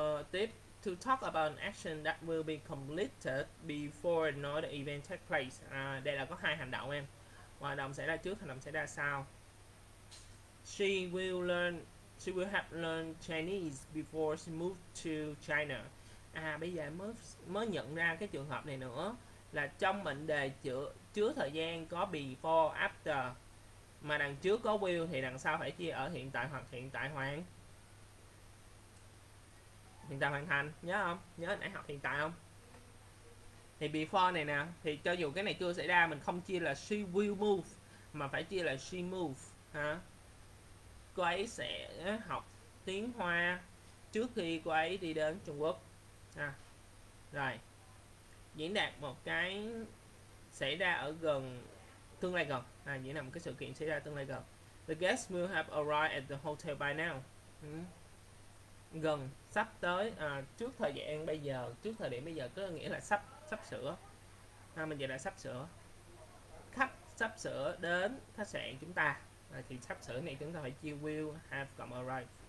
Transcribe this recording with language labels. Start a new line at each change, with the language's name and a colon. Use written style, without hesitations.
Vietnamese: Tiếp,
English: to talk about an action that will be completed before another event takes place.
Vietnamese: Đây là có hai hành động em. Hành động xảy ra trước, hành động xảy ra sau.
English: She will have learned Chinese before she moved to China.
Vietnamese: À, bây giờ mới mới nhận ra cái trường hợp này nữa, là trong mệnh đề chứa thời gian có before, after, mà đằng trước có will thì đằng sau phải chia ở hiện tại hoặc hiện tại hoàn thành, nhớ không? Nhớ nãy học hiện tại không? Thì before này nè, thì cho dù cái này chưa xảy ra, mình không chia là she will move mà phải chia là she move, hả? Cô ấy sẽ học tiếng Hoa trước khi cô ấy đi đến Trung Quốc ha. Rồi diễn đạt một cái xảy ra ở gần tương lai gần, à, diễn đạt một cái sự kiện xảy ra tương lai gần.
English: The guests will have arrived at the hotel by now.
Vietnamese: Gần, sắp tới, à, trước thời gian bây giờ, trước thời điểm bây giờ có nghĩa là sắp, sắp sửa. À, mình vậy là sắp sửa. Khách sắp sửa đến khách sạn chúng ta. À, thì sắp sửa này chúng ta phải chia
English: will have come arrived.